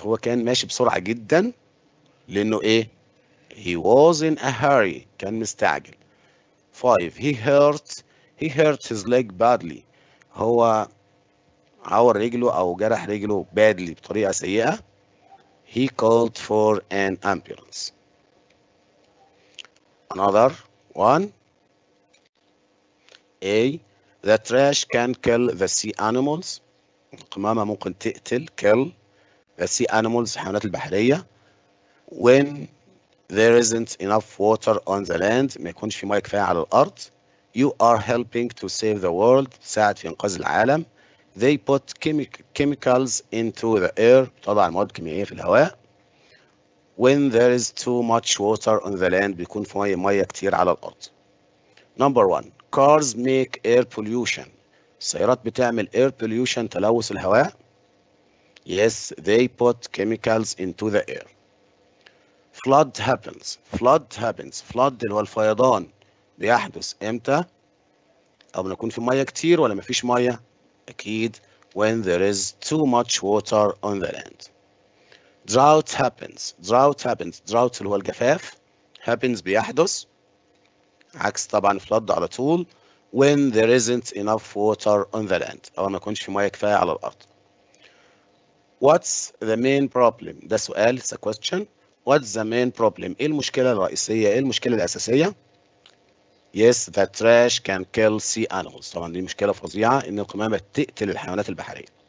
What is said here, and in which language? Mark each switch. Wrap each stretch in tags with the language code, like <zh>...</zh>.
<ar>هو كان ماشي بسرعة جدا لأنه إيه؟</ar> <en>He was in a hurry</en> <ar>كان مستعجل.</ar> <en>Five, he hurt his leg badly.</en> <ar>هو عور رجله أو جرح رجله badly بطريقة سيئة.</ar> <en>He called for an ambulance. Another one. A, the trash can kill the sea animals.</en> <ar>القمامة ممكن تقتل kill</ar> <en>the sea animals</en> <ar>الحيوانات البحرية.</ar> <en>When there isn't enough water on the land</en> <ar>ما يكونش في مياه كفاية على الأرض.</ar> <en>You are helping to save the world.</en> <ar>تساعد في إنقاذ العالم.</ar> <en>They put chemicals into the air.</en> <ar>تضع المواد الكيميائية في الهواء.</ar> <en>When there is too much water on the land.</en> <ar>بيكون في مياه كتير على الأرض.</ar> <en>Number one. Cars make air pollution.</en> <ar>السيارات بتعمل</ar> <en>air pollution</en> <ar>تلوث الهواء.</ar> <en>Yes, they put chemicals into the air. Flood happens.</en> <ar>Flood اللي هو الفيضان. بيحدث امتى؟ او بنكون في ميه كتير ولا مفيش ميه؟ اكيد</ar> <en>when there is too much water on the land.</en> <ar>Drought happens. Drought اللي هو الجفاف. Happens بيحدث. عكس طبعا flood على طول.</ar> <en>When there isn't enough water on the land.</en> <ar>او ما يكونش في ميه كفايه على الارض.</ar> <en>What's the main problem؟</en> <ar>ده سؤال.</ar> <en>It's a question. What's the main problem؟</en> <ar>ايه المشكله الرئيسيه؟ ايه المشكله الاساسيه؟</ar> <en>Yes, the trash can kill sea animals.</en> <ar>طبعا دي مشكلة فظيعة ان القمامة تقتل الحيوانات البحرية.</ar>